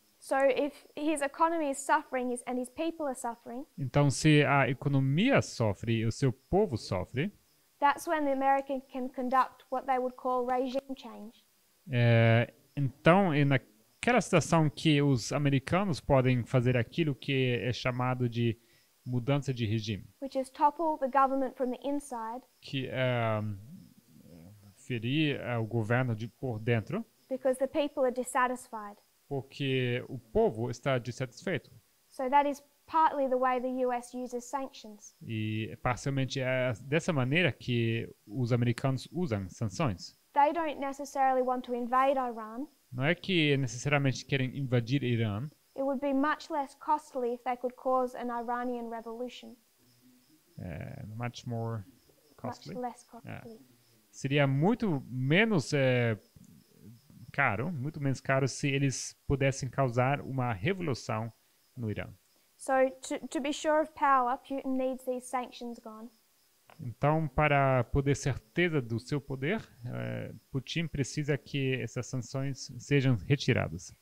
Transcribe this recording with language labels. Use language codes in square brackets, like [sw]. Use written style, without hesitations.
[en] So if his economy is suffering and his people are suffering. [pt] Então se a economia sofre e o seu povo sofre. [en] That's when the American can conduct what they would call regime change. [pt] Então é naquela situação que os americanos podem fazer aquilo que é chamado de mudança de regime. [en] Which is topple the government from the inside. [pt] Que é ferir o governo de por dentro. [en] Because the people are dissatisfied. [pt] Porque o povo está dissatisfeito. [en] So that is partly the way the US uses sanctions. [pt] E parcialmente é dessa maneira que os americanos usam sanções. [en] They don't necessarily want to invade Iran. [pt] Não é que necessariamente querem invadir Irã. [en] It would be much less costly if they could cause an Iranian revolution. Much more costly. Much less costly. Yeah. [pt] Seria muito menos caro, muito menos caro se eles pudessem causar uma revolução no Irã. [en] So, to be sure of power, Putin needs these sanctions gone. [pt] Então, para poder certeza do seu poder, Putin precisa que essas sanções sejam retiradas.